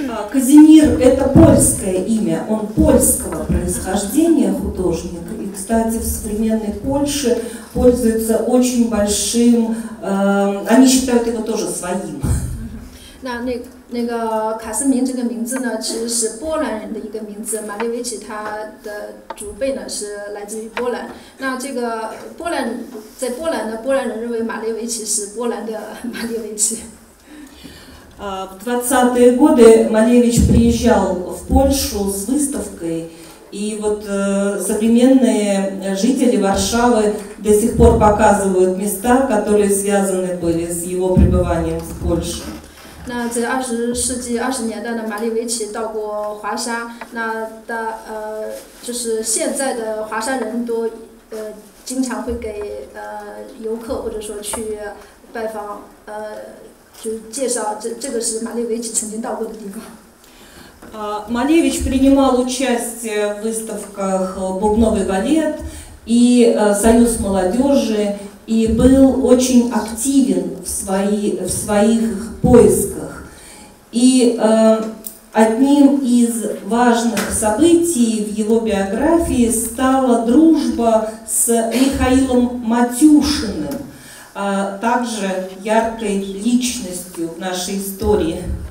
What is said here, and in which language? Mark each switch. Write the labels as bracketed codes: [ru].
[ru] Казимир – это польское имя, он польского происхождения художник, и, кстати, в современной Польше пользуется очень большим, они считают его тоже своим. [zh] 那个卡斯明这个名字呢，其实是波兰人的一个名字。马列维奇他的祖辈呢是来自于波兰。那这个波兰在波兰呢，波兰人认为马列维奇是波兰的马列维奇。 [ru] В 20-е годы Малевич приезжал в Польшу с выставкой, и вот современные жители Варшавы до сих пор показывают места, которые связаны были с его пребыванием в Польше. [zh] 那在20世纪20年代的马列维奇到过华沙，那的就是现在的华沙人都经常会给游客或者说去拜访就介绍这个是马列维奇曾经到过的地方。 [ru] Малевич принимал участие в выставках «Бубновый балет» и «Союз молодежи» и был очень активен в своих поисках. И одним из важных событий в его биографии стала дружба с Михаилом Матюшиным, также яркой личностью в нашей истории.